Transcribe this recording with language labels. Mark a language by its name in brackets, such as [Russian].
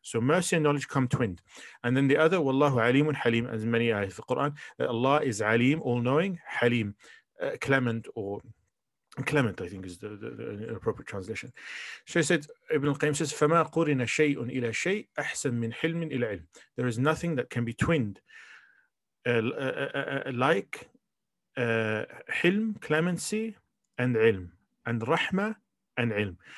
[English] So mercy and knowledge come twinned. And then the other, wallahu alimun halim, as many ayahs of the Quran, that Allah is alim, all-knowing, halim, clement, I think is the appropriate translation. So he said, Ibn al-Qayyim says, [Arabic] فَمَا قُرِنَ شَيْءٌ إِلَى شَيْءٍ أَحْسَن مِّنْ حِلْمٍ إِلَى عِلْمٍ. [English] There is nothing that can be twinned like حِلْم, clemency, and ilm, and rahma and ilm.